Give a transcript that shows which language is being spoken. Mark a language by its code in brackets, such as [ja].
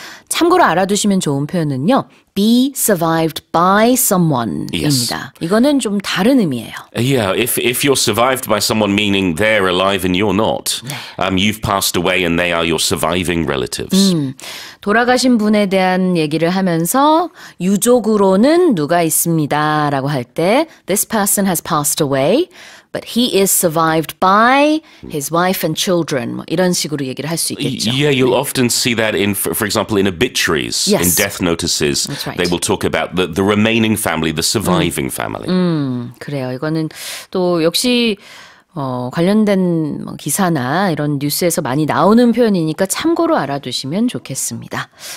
[ko] 참고로 알아두시면 좋은 표현은요. [en] Be survived by someone입니다. Yes. [ko] 이거는 좀 다른 의미예요. [en] Yeah, if you're survived by someone, meaning they're alive and you're not, you've passed away and they are your surviving relatives. [ko] 돌아가신 분에 대한 얘기를 하면서 유족으로는 누가 있습니다라고 할 때 [en] This person has passed away. But he is survived by his wife and children. [ko] 이런 식으로 얘기를 할 수 있겠죠. [en] Yeah, you'll often see that in, for example, in obituaries, yes. in death notices. That's right. They will talk about the remaining family, the surviving family. [ko] 그래요. 이거는 또 역시 관련된 뭐 기사나 이런 뉴스에서 많이 나오는 표현이니까 참고로 알아두시면 좋겠습니다.